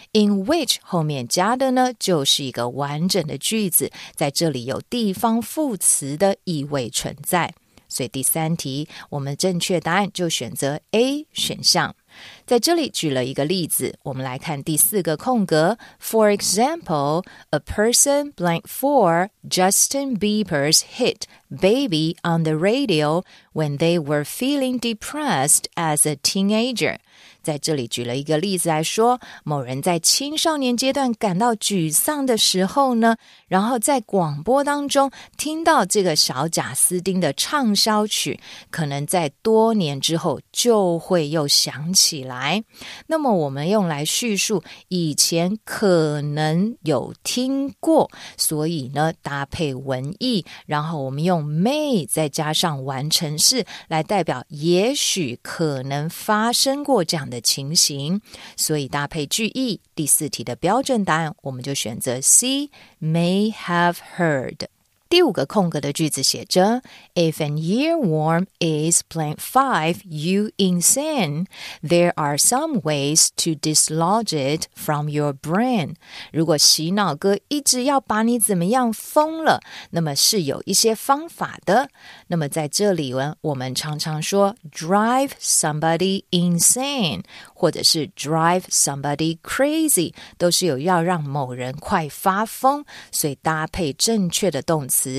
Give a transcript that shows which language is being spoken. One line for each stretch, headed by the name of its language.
Chinese: in which 后面加的呢就是一个完整的句子，在这里有地方副词的意味存在。所以第三题我们正确答案就选择 A 选项。在这里举了一个例子，我们来看第四个空格。
English: For example, a person blank for Justin Bieber's hit Baby on the radio when they were feeling depressed as a teenager.
Chinese: 在这里举了一个例子来说，某人在青少年阶段感到沮丧的时候呢，然后在广播当中听到这个小贾斯汀的畅销曲，可能在多年之后就会又响起来。那么我们用来叙述以前可能有听过，所以呢搭配文意，然后我们用 may 再加上完成式来代表也许可能发生过这样的情形。所以搭配句意，第四题的标准答案我们就选择 C,
English: may have heard。第五个空格的句子写着 If an earworm is blank 5, you insane. There are some ways to dislodge it from your brain.
Chinese: 如果洗脑歌一直要把你怎么样疯了，那么是有一些方法的。那么在这里我们常常说
English: drive somebody insane,
Chinese: 或者是
English: drive somebody crazy,
Chinese: 都是有要让某人快发疯，所以搭配正确的动词。